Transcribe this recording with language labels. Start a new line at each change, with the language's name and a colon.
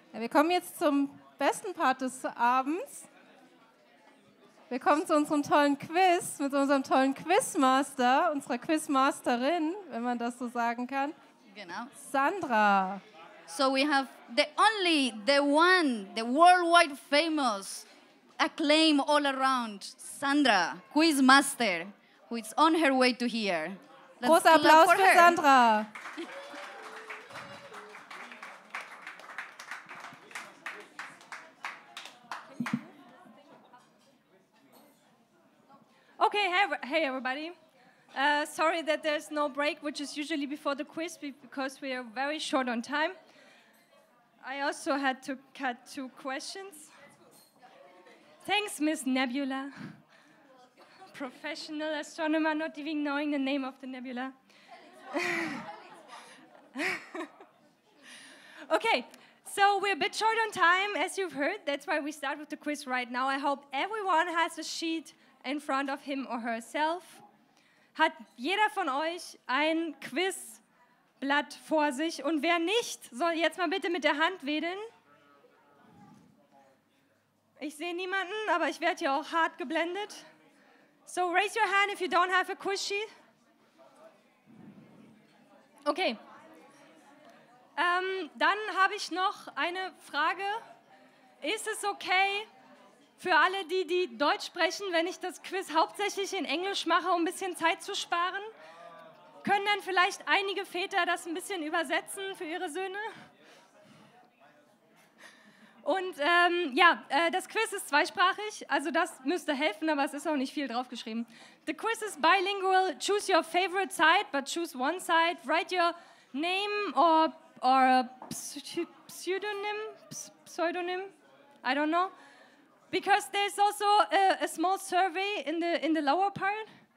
German: Wir kommen jetzt zum besten Part des Abends. Wir kommen zu unserem tollen Quiz mit unserem tollen Quizmaster, unserer Quizmasterin, wenn man das so sagen kann. Genau. Sandra.
English: So we have the only, the one, the worldwide famous acclaim all around, Sandra, Quizmaster, who is on her way to here. Let's
German: großer Applaus
English: for her. Sandra. Okay, hey everybody. Sorry that there's no break, which is usually before the quiz, because we are very short on time. I also had to cut two questions. Thanks, Miss Nebula. Professional astronomer, not even knowing the name of the nebula. Okay, so we're a bit short on time, as you've heard. That's why we start with the quiz right now. I hope everyone has a sheet in front of him or herself.
German: Hat jeder von euch ein Quizblatt vor sich? Und wer nicht, soll jetzt mal bitte mit der Hand wedeln. Ich sehe niemanden, aber ich werde hier auch hart geblendet.
English: So raise your hand if you don't have a quiz sheet.
German: Okay. Dann habe ich noch eine Frage. Ist es okay, für alle, die Deutsch sprechen, wenn ich das Quiz hauptsächlich in Englisch mache, um ein bisschen Zeit zu sparen? Können dann vielleicht einige Väter das ein bisschen übersetzen für ihre Söhne? Und das Quiz ist zweisprachig, also das müsste helfen, aber es ist auch nicht viel draufgeschrieben.
English: The quiz is bilingual, choose your favorite side, but choose one side, write your name or a pseudonym, I don't know. Because there's also a small survey in the lower part.